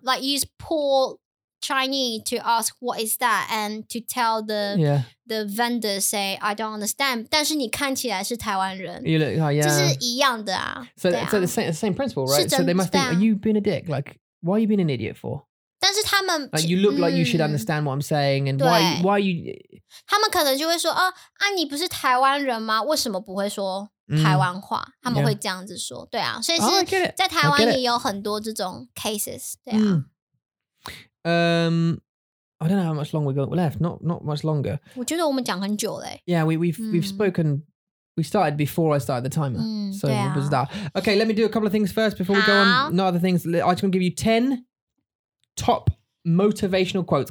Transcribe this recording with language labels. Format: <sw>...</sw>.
<en>Like use poorChinese to ask what is that and to tell the vendor say I don't understand</en> <zh>但是你看起来是台湾人</zh> <en>you look,、oh, yeah.</en> <zh>就是一样的啊</zh> <en>so, so the same principle right so they must think are you being a dick like why are you being an idiot for</en> <zh>但是他们</zh> <en>like, you look like you should understand what I'm saying and why are you</en> <zh>他们可能就会说、哦、啊你不是台湾人吗为什么不会说台湾话、他们会这样子说对啊所以是在台湾也有很多这种 cases 对啊、</zh> <en>I don't know how much longer we got left. Not much longer.</en> <zh>我觉得我们讲很久嘞。</zh> <en>Yeah, we've spoken. We started before I started the timer. So it was that. Okay, let me do a couple of things first before we go on. Not other things. I'm just gonna give you 10 top motivational quotes.</en>